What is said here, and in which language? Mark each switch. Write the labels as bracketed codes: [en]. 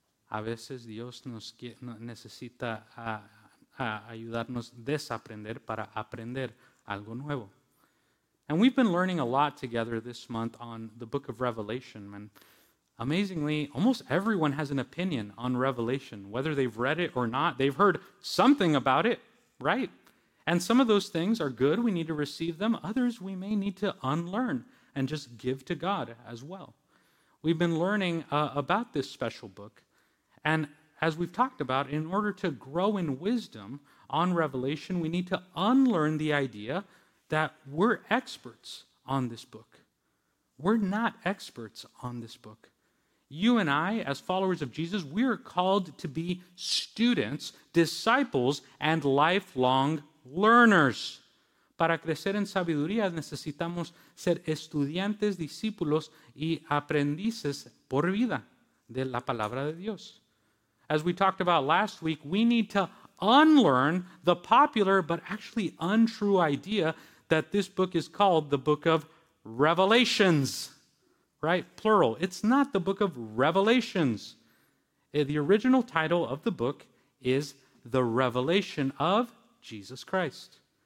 [es] A veces Dios necesita ayudarnos a desaprender para aprender algo nuevo. [en] And we've been learning a lot together this month on the book of Revelation. And amazingly, almost everyone has an opinion on Revelation. Whether they've read it or not, they've heard something about it, right? And some of those things are good. We need to receive them. Others we may need to unlearn and just give to God as well. We've been learning about this special book. And as we've talked about, in order to grow in wisdom on Revelation, we need to unlearn the idea that we're experts on this book. We're not experts on this book. You and I, as followers of Jesus, we are called to be students, disciples, and lifelong learners. [es] Para crecer en sabiduría, necesitamos ser estudiantes, discípulos, y aprendices por vida de la palabra de Dios. [en] As we talked about last week, we need to unlearn the popular but actually untrue idea that this book is called the book of Revelations, right? Plural. It's not the book of Revelations. The original title of the book is The Revelation of Jesus Christ.